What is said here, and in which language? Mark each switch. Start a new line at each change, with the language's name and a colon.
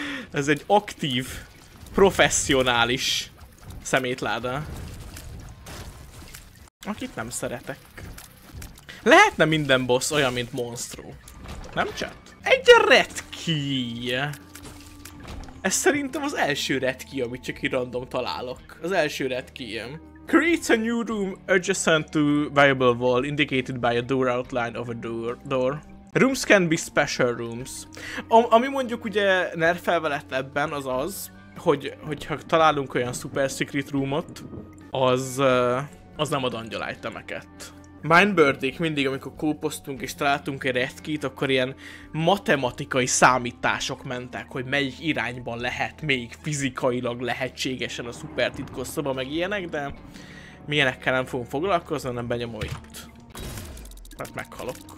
Hungarian: Ez egy aktív, professzionális szemétláda. Akit nem szeretek. Lehetne minden boss olyan, mint Monstro. Nem chat? Egy Red Key. Ez szerintem az első Red Key, amit csak így random találok. Az első Red Key-em.
English: Creates a new room adjacent to viable wall indicated by a door outline of a door. Rooms can be special rooms.
Hungarian: Ami mondjuk ugye nerfelve lett ebben az az, hogyha találunk olyan super secret roomot, az nem ad angyal itemeket. Mindbirdék mindig, amikor kóposztunk és találtunk egy Red Key-t, akkor ilyen matematikai számítások mentek, hogy melyik irányban lehet még fizikailag lehetségesen a szuper titkos szoba, meg ilyenek, de milyenekkel nem fogunk foglalkozni, hanem benyomom itt. Mert meghalok.